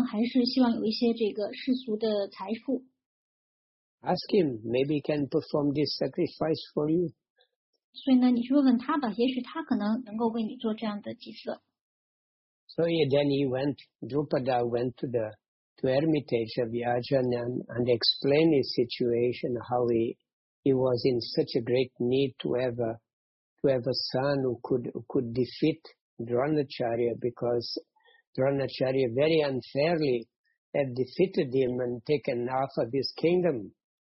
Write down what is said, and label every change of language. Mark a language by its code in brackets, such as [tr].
[zh] 那也许可能你去问问我的哥哥Yaja，因为他依然还有一些世俗的愿望，他可能还是希望有一些这个世俗的财富。 [en] Ask him, maybe he can perform this sacrifice for you. [zh] 所以呢，你去问问他吧，也许他可能能够为你做这样的祭祀。 [en] So then he went, Drupada went to the to hermitage of Yajanam and explained his situation, how he was in such a great need to have a son who could defeat Dronacharya, because Dronacharya very unfairly had defeated him and taken half of his kingdom.